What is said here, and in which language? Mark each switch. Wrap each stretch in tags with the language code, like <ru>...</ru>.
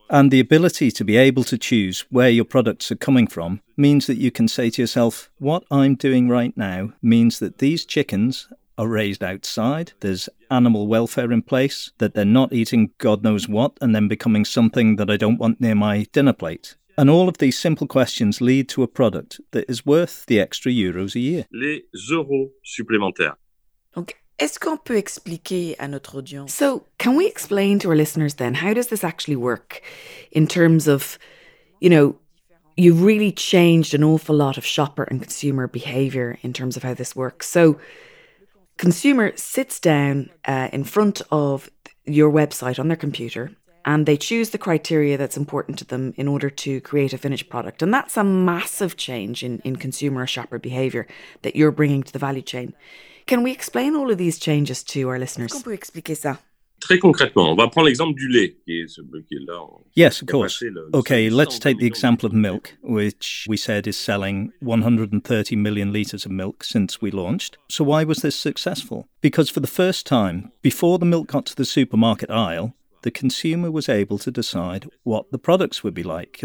<en>And the ability to be able to choose where your products are coming from means that you can say to yourself, what I'm doing right now means that these chickens are raised outside, there's animal welfare in place, that they're not eating God knows what and then becoming something that I don't want near my dinner plate. And all of these simple questions lead to a product that is worth the extra euros a year.</en> <fr>Les euros supplémentaires. Donc, est-ce qu'on peut expliquer à notre audience?</fr> <en>So, can we explain to our listeners then, how does this actually work in terms of, you know, you've really changed an awful lot of shopper and consumer behavior in terms of how this works. So, consumer sits down in front of your website on their computer and they choose the criteria that's important to them in order to create a finished product. And that's a massive change in consumer or shopper behaviour that you're bringing to the value chain. Can we explain all of these changes to our listeners?</en> <fr>Est-ce qu'on peut expliquer ça? Très concrètement, on va prendre l'exemple du lait.</fr> <en>Yes, of course. Okay, let's take the example of milk, which we said is selling 130 million litres of milk since we launched. So why was this successful? Because for the first time, before the milk got to the supermarket aisle, the consumer was able to decide what the products would be like.</en>